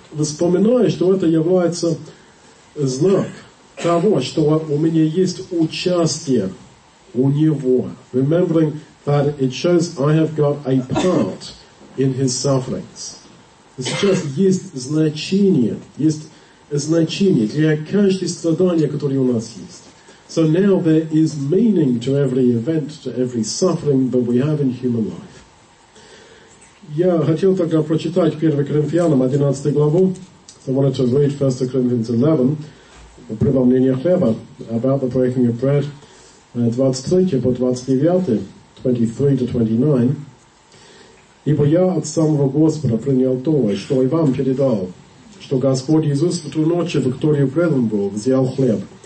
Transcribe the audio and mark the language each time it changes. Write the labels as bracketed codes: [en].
[ru] вспоминаю, что это является знак того, что у меня есть участие у Него. [en] Remembering that it shows I have got a part in His sufferings. [ru] Сейчас есть значение для каждого страдания, которое у нас есть. [en] So now there is meaning to every event, to every suffering that we have in human life. [ru] Я хотел тогда прочитать 1 Коринфянам 11 главу. [en] So I wanted to read 1 Corinthians 11, [ru] о преломлении хлеба, [en] about the breaking of bread, [ru] 23 по 29, [en] 23 to 29. [ru] Ибо я от самого Господа принял то, что и вам передал, что Господь Иисус в ту ночь, в которую предан был, взял хлеб.